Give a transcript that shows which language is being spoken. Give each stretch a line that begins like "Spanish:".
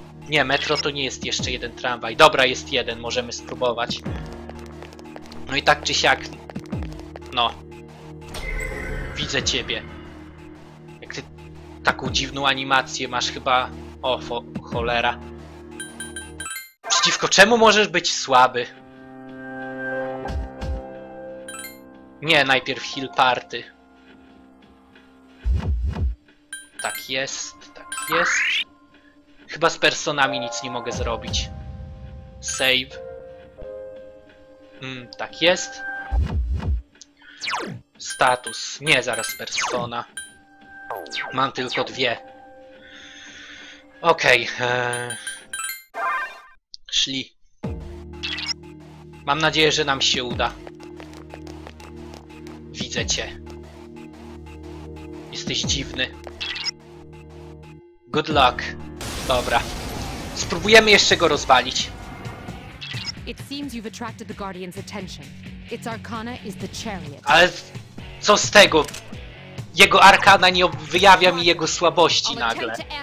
Polish: Nie, metro to nie jest jeszcze jeden tramwaj. Dobra, jest jeden, możemy spróbować. No i tak czy siak. No. Widzę ciebie. Jak ty taką dziwną animację masz chyba. O, cholera. Przeciwko czemu możesz być słaby? Nie, najpierw heal party. Tak jest, tak jest. Chyba z personami nic nie mogę zrobić.
English: Save.
Polish: Tak jest. Status. Nie, zaraz persona. Mam tylko dwie. Okej. Szli. Mam nadzieję, że nam się uda. Widzę cię. Jesteś dziwny.
English: Good luck.
Polish: Dobra. Spróbujemy jeszcze go rozwalić.
English: It seems you've attracted the Guardian's attention. Its arcana is the chariot.
Polish: Ale co z tego? Jego arkana nie wyjawia mi jego słabości nagle.